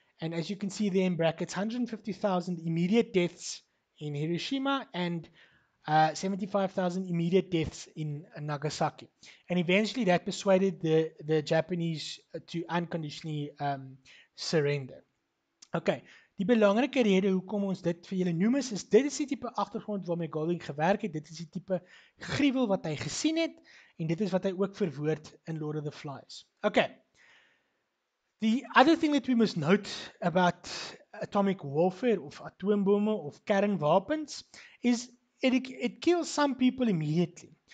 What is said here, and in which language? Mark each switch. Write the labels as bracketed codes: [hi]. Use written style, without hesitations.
[en] And as you can see there in brackets, 150,000 immediate deaths in Hiroshima and 75,000 immediate deaths in Nagasaki. And eventually that persuaded the Japanese to unconditionally surrender. [af] Okay, die belangrike rede hoekom ons dit vir julle noem is, dit is die type achtergrond waarmee Golding gewerk het, dit is die type gruwel wat hy gesien het, en dit is wat hy ook verwoord in Lord of the Flies. [en] Okay. The other thing that we must note about atomic warfare of [af] atoombome of kernwapens [en] is it kills some people immediately.